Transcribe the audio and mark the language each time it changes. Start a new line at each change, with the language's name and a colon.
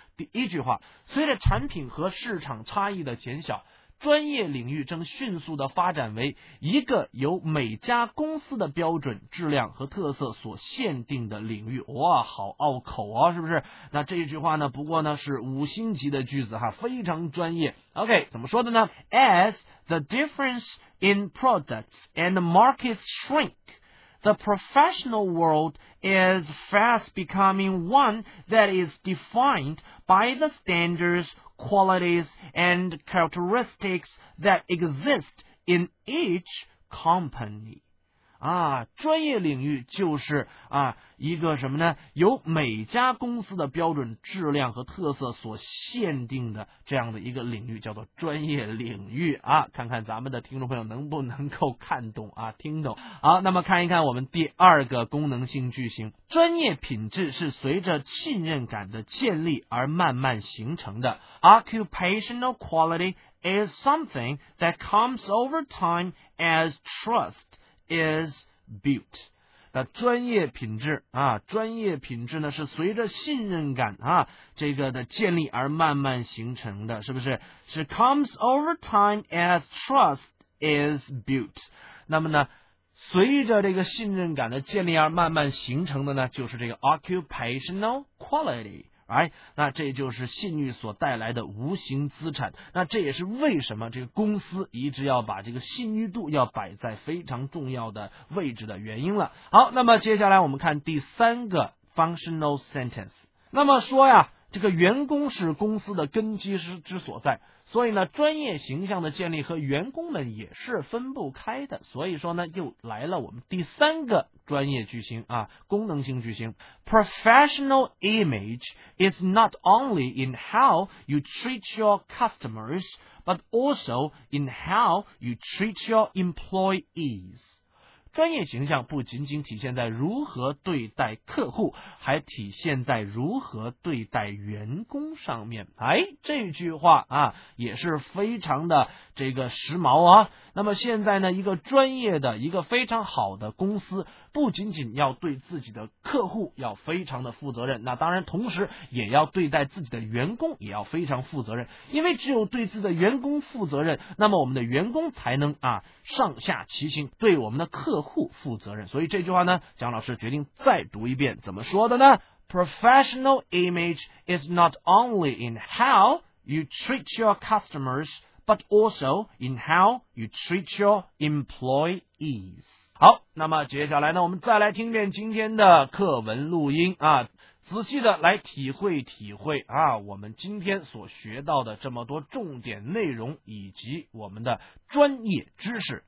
Chinese: 第一句话，随着产品和市场差异的减小，专业领域正迅速地发展为一个由每家公司的标准、质量和特色所限定的领域。哇，好拗口啊，是不是？那这句话呢，不过呢是五星级的句子哈，非常专业。 OK， 怎么说的呢？
English: As the difference in products and markets shrink， The professional world is fast becoming one that is defined by the standards, qualities, and characteristics that exist in each company.
Chinese: 啊，专业领域就是啊一个什么呢？由每家公司的标准、质量和特色所限定的这样的一个领域，叫做专业领域啊。看看咱们的听众朋友能不能够看懂啊，听懂。好，那么看一看我们第二个功能性句型，专业品质是随着信任感的建立而慢慢形成的。
English: Occupational quality is something that comes over time as trust. Is built.
Chinese: 那专业品质啊，专业品质呢是随着信任感啊这个的建立而慢慢形成的，是不是？是
English: comes over time as trust is built.
Chinese: 那么呢，随着这个信任感的建立而慢慢形成的呢，就是这个
English: occupational quality. Right?
Chinese: 那这就是信誉所带来的无形资产，那这也是为什么这个公司一直要把这个信誉度要摆在非常重要的位置的原因了。好，那么接下来我们看第三个
English: functional sentence。
Chinese: 那么说呀，这个员工是公司的根基之所在，所以呢专业形象的建立和员工们也是分不开的，所以说呢又来了我们第三个专业句型啊，功能性句型。
English: Professional image is not only in how you treat your customers but also in how you treat your employees。
Chinese: 专业形象不仅仅体现在如何对待客户，还体现在如何对待员工上面。哎，这句话啊也是非常的这个时髦啊。那么现在呢，一个专业的一个非常好的公司不仅仅要对自己的客户要非常的负责任，那当然同时也要对待自己的员工也要非常负责任，因为只有对自己的员工负责任，那么我们的员工才能啊上下齐心对我们的客户负责任。所以这句话呢，蒋老师决定再读一遍，怎么说的呢？
English: Professional image is not only in how you treat your customers,But also in how you treat your employees.
Chinese: 好，那么接下来呢，我们再来听遍今天的课文录音啊，仔细的来体会体会啊，我们今天所学到的这么多重点内容以及我们的专业知识。